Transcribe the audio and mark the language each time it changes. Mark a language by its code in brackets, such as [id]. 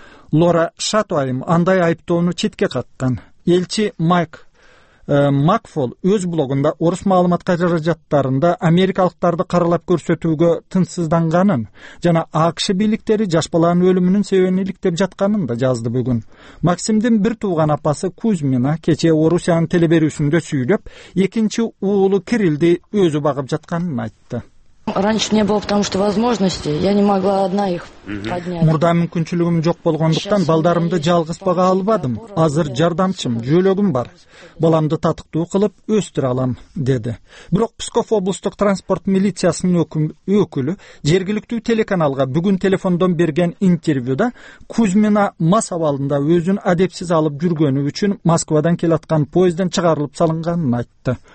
[ky] Лора Шатуайм андай айыптоону четке каккан. Элчи Макфол өз блогунда орус маалымат каражаттарында америкалыктарды каралап көрсөтүүгө тынчсызданганын жана АКШ бийликтери жаш баланын өлүмүнүн себебин иликтеп жатканын да жазды бүгүн. Максимдин бир тууган апасы Кузьмина кечээ Орусиянын телеберүүсүндө сүйлөп, экинчи уулу Кирилди өзү багып жатканын айтты. [ru] Раньше не было, потому что возможности. Я не могла одна их поднять. [ky] Мурда мүмкүнчүлүгүм жок болгондуктан балдарымды жалгыз бага албадым. Азыр жардамчым, жөөлөгүм бар. Баламды татыктуу кылып өстүрө алам, деди. Бирок Псков облустук транспорт милициясынын өкүлү жергиликтүү телеканалга бүгүн телефондон берген интервьюда Кузьмина мас абалында өзүн адепсиз алып жүргөнү үчүн Москвадан келаткан поезден чыгарылып салынганын айтты.